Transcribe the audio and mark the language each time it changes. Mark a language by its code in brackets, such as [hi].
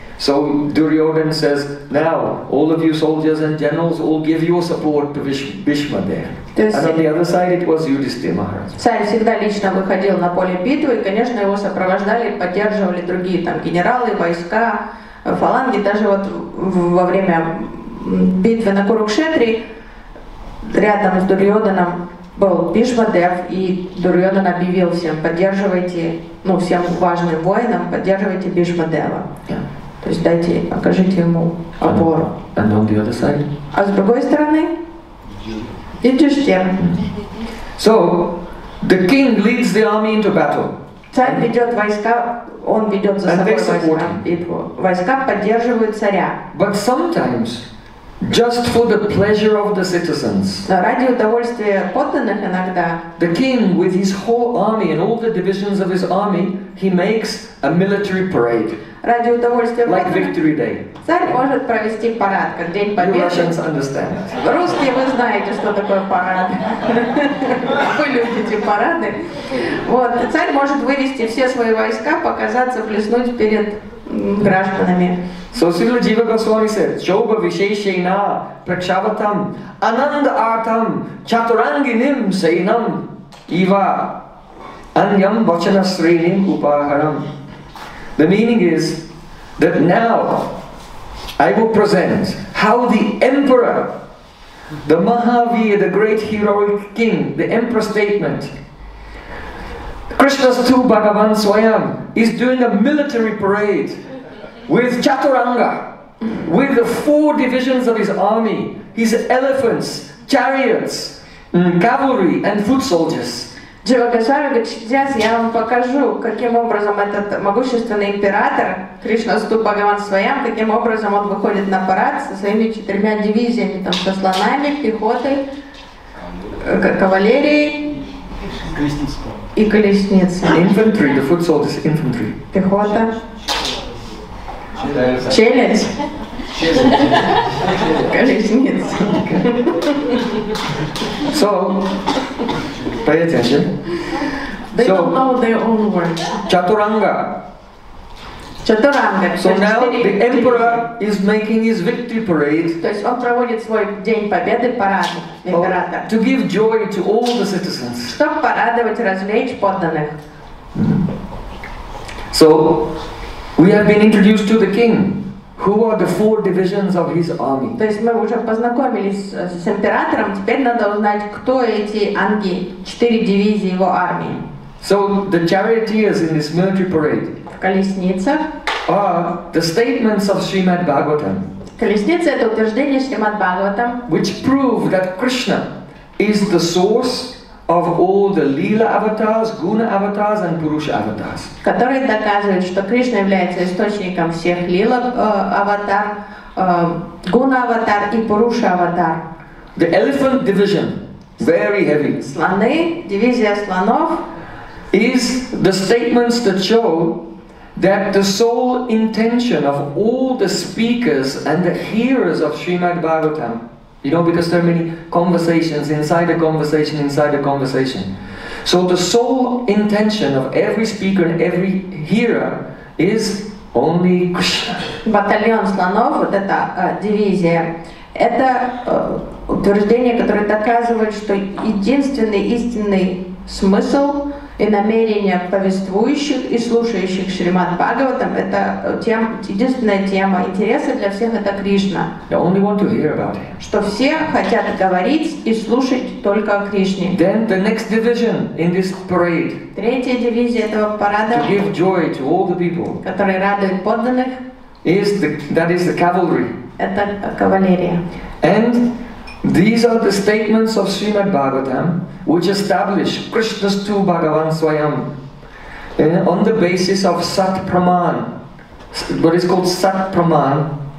[en] So Duryodhan says, now all of you soldiers and generals all give your support to Bhishma there. And on the other side it was Yudhishthira Maharaj. [ru] Царь всегда лично выходил на поле битвы, и, конечно, его сопровождали, поддерживали другие там генералы, войска, фаланги. Даже вот во время битвы на Курукшетре рядом с Дурьоданом был Бишма Дев, и Дурьодан объявил всем, поддерживайте, ну, всем важным воинам, поддерживайте Бишма Дева. Yeah. То есть дайте, окажите ему опору. [en] And on the other side? [ru] А с другой стороны? Юдхиштхир. [en] So, the king leads the army into battle. [ru] Царь ведет войска, он ведет за собой войска, битву. Войска поддерживают царя. [en] But sometimes, just for the pleasure of the citizens, [ru] ради удовольствия подданных иногда, [en] the king with his whole army and all the divisions of his army, he makes a military parade. [ru] Ради удовольствия [en] like Victory Day. [ru] Царь может провести парад, как День Победы. [en] You Russians understand. [ru] Русские, вы знаете, что такое парад. Вы любите парады. Вот. Царь может вывести все свои войска, показаться, блеснуть перед гражданами. [en] So Srila Jiva Goswami said, [sa] Shobha Visheshena Prakshavatam Ananda Artam Chaturanginim Seinam Iva Anyam Vachana Srinim Upaharam. [en] The meaning is that now I will present how the emperor, the Mahavir, the great heroic king, the emperor statement, Krishna Stu Bhagavan Swayam, is doing a military parade with Chaturanga, with the four divisions of his army, his elephants, chariots, cavalry, and foot soldiers. [ru] Джива Госвами говорит, сейчас я вам покажу, каким образом этот могущественный император, Кришна Сту Бхагаван Свайам, каким образом он выходит на парад со своими четырьмя дивизиями, там, со слонами, пехотой, кавалерией, И колесница. Infantry, the foot soldiers, infantry. Пехота. Челядь. Колесница. [en] So, pay attention. They don't know their own words. Chaturanga. Chaturanga. So now the emperor is making his victory parade. [ru] То есть он проводит свой день победы парад император. [en] To give joy to all the citizens. [ru] Чтобы порадовать, развлечь подданных. [en] So we have been introduced to the king. Who are the four divisions of his army? [ru] То есть мы уже познакомились с императором. Теперь надо узнать, кто эти анги, четыре дивизии его армии. [en] So the charioteers in this military parade. [ru] Колесница. [en] Are the statements of Srimad Bhagavatam. [ru] Колесница — это утверждение Шримад Бхагаватам. [en] Which prove that Krishna is the source of all the Lila avatars, Guna avatars, and Purusha avatars. [ru] Которые доказывают, что Кришна является источником всех Лила аватар, Guna аватар и Purusha аватар. [en] The elephant division, very heavy. [ru] Слоны, дивизия слонов. [en] Is the statements that show that the sole intention of all the speakers and the hearers of Srimad Bhagavatam, you know, because there are many conversations inside a conversation inside a conversation. So the sole intention of every speaker and every hearer is only Krishna. [ru] Батальон слонов, вот эта дивизия, это утверждение, которое доказывает, что единственный истинный смысл и намерения повествующих и слушающих Шримад Бхагаватам — это единственная тема интереса для всех — это Кришна. [en] They only want to hear about him. [ru] Что все хотят говорить и слушать только о Кришне. [en] Then the next division in this parade. [ru] Третья дивизия этого парада. [en] To give joy to all the people. [ru] Которые радуют подданных. [en] That is the cavalry. [ru] Это кавалерия. [en] And these are the statements of Srimad Bhagavatam, which establish Krishna's two Bhagavan Swayam on the basis of Sat Praman, what is called Sat Praman.